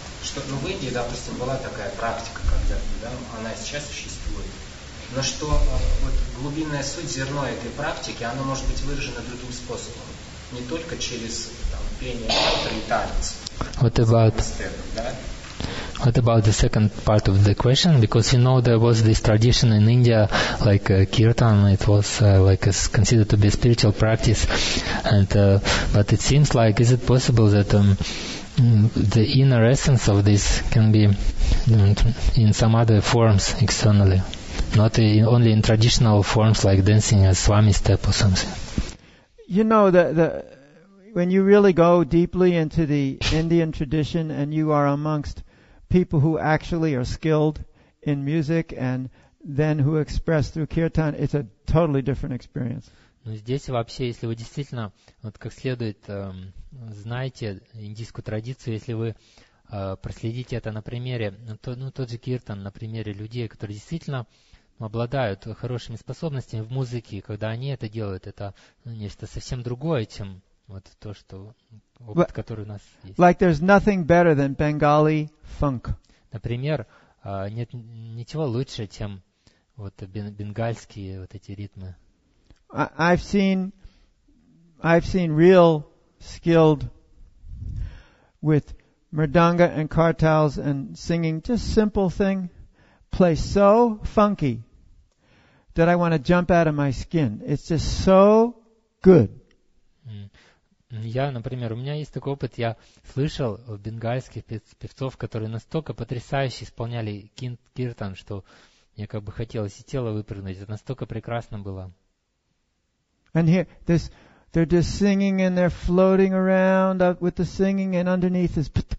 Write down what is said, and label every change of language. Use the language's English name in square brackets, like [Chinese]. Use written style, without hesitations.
[Russian] Что, ну, в Индии, допустим, была такая практика когда-то, да, она сейчас существует. Но что вот глубинная суть, зерно этой практики, оно может быть выражено другим способом. Не только через там, пение, мантры и танец. [English] What about the second part of the question? Because you know there was this tradition in India, like kirtan, it was like considered to be a spiritual practice. And but it seems like, is it possible that the inner essence of this can be in some other forms externally, not only in traditional forms like dancing a swami step or something? You know, the when you really go deeply into the Indian tradition and you are amongst people who actually are skilled in music and then who express through kirtan, it's a totally different experience. [Russian] Ну, здесь вообще, если вы действительно вот как следует знаете индийскую традицию, если вы проследите это на примере, тот же киртан, на примере людей, которые действительно обладают хорошими способностями в музыке, когда они это делают, это нечто совсем другое, чем вот то, что опыт, который у нас есть. [English] Like there's nothing better than Bengali funk. [Russian] Например, нет ничего лучше, чем вот бенгальские вот эти ритмы. [English] I've seen real skilled with mridanga and kartals and singing just simple thing play so funky that I want to jump out of my skin. It's just so good. [Russian] Я, например, у меня есть такой опыт. Я слышал бенгальских певцов, которые настолько потрясающе исполняли киртан, что мне как бы хотелось и тело выпрыгнуть. Это настолько прекрасно было. [English] And here, this, they're just singing and they're floating around with the singing and underneath is...